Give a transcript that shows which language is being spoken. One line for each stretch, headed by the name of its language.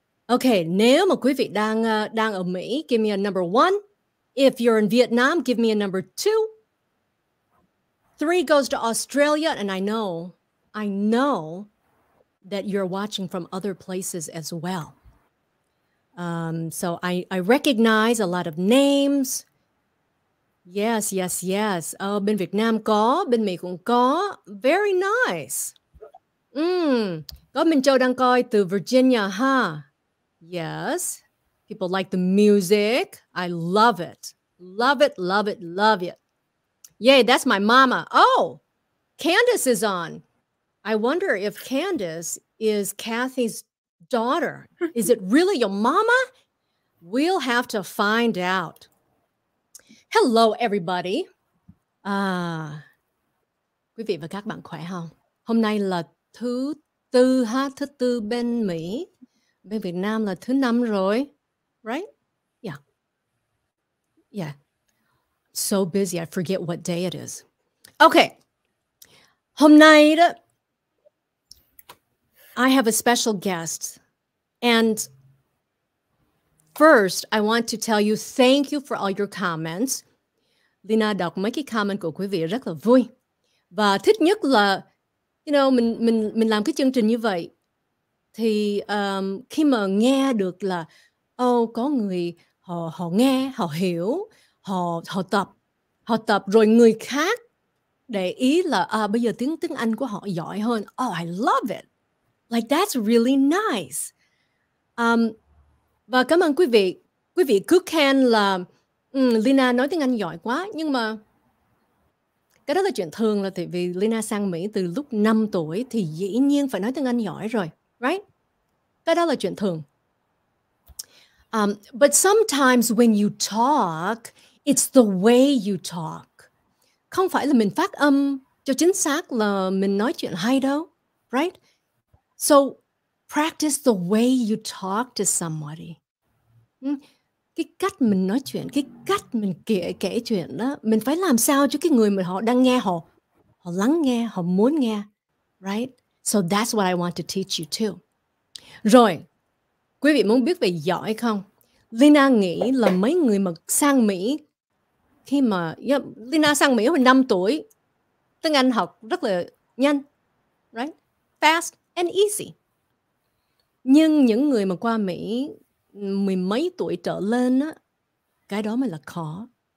Vietnamese: Okay, nếu mà quý vị đang ở Mỹ,
English: give me a number one. If you're in Vietnam, give me a number two. Three goes to Australia, and I know that you're watching from other places as well. So I recognize a lot of names. Yes, yes, yes.
Vietnamese: Oh, bên Việt Nam có, bên Mỹ cũng có.
English: Very nice.
Vietnamese: Có Minh Châu đang coi từ Virginia, huh?
English: Yes. People like the music. I love it. Love it, love it, love it. Yay, that's my mama. Oh, Candace is on. I wonder if Candace is Kathy's daughter. Is it really your mama? We'll have to find out. Hello, everybody.
Vietnamese: Quý vị và các bạn khỏe không? Hôm nay là thứ tư ha, thứ tư bên Mỹ. Bên Việt Nam là thứ năm rồi, right?
English: Yeah. Yeah. So busy, I forget what day it is. Okay.
Vietnamese: Hôm nay,
English: I have a special guest. And first, I want to tell you thank you for all your comments.
Vietnamese: Lina đọc mấy cái comment của quý vị rất là vui. Và thích nhất là, you know, mình làm cái chương trình như vậy. Thì khi mà nghe được là, oh, có người họ nghe, họ hiểu, họ tập rồi người khác để ý là bây giờ tiếng Anh của họ giỏi hơn.
English: Oh, I love it. Like, that's really nice.
Vietnamese: Và cảm ơn quý vị. Quý vị cứ khen là Lina nói tiếng Anh giỏi quá, nhưng mà cái đó là chuyện thường, là tại vì Lina sang Mỹ từ lúc 5 tuổi thì dĩ nhiên phải nói tiếng Anh giỏi rồi, right? Cái đó là chuyện thường.
English: But sometimes when you talk, it's the way you talk.
Vietnamese: Không phải là mình phát âm cho chính xác là mình nói chuyện hay đâu, right?
English: So practice the way you talk to somebody.
Vietnamese: Cái cách mình nói chuyện, cái cách mình kể chuyện đó, mình phải làm sao cho cái người mà họ đang nghe, họ lắng nghe, họ muốn nghe, right?
English: So that's what I want to teach you too.
Vietnamese: Rồi, quý vị muốn biết về giỏi không? Lina nghĩ là mấy người mà sang Mỹ, khi mà Lina sang Mỹ hồi 5 tuổi, tiếng Anh học rất là nhanh, right?
English: Fast and easy.
Vietnamese: Nhưng những người mà qua Mỹ mười mấy tuổi trở lên á, cái đó mới là khó.